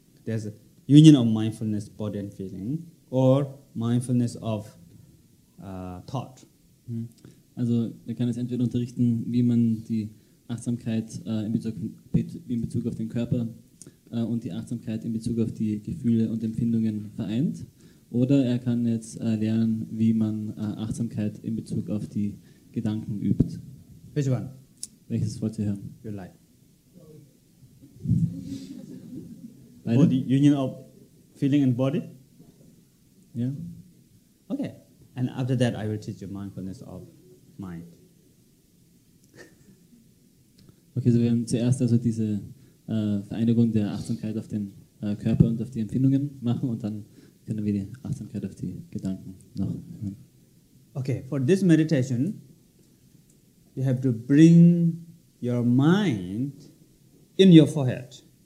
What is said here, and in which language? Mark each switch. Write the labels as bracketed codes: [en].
[en] There's a union of mindfulness, body and feeling. Or mindfulness of thought. [de] Also man kann es entweder unterrichten, wie man die Achtsamkeit in Bezug auf den Körper und die Achtsamkeit in Bezug auf die Gefühle und Empfindungen vereint. Oder er kann jetzt lernen, wie man Achtsamkeit in Bezug auf die Gedanken übt. [en] Which one? [de] Welches wollt ihr hören? [en] Your life. [de] Beide? [en] Body, union of feeling and body? [de] Ja. [en] Okay, And after that, I will teach you mindfulness of mind. [de] Okay, so wir haben zuerst also diese Vereinigung der Achtsamkeit auf den Körper und auf die Empfindungen machen und dann können wir die Achtsamkeit auf die Gedanken noch hören. [en] Okay, for this meditation, you have to bring your mind in your forehead.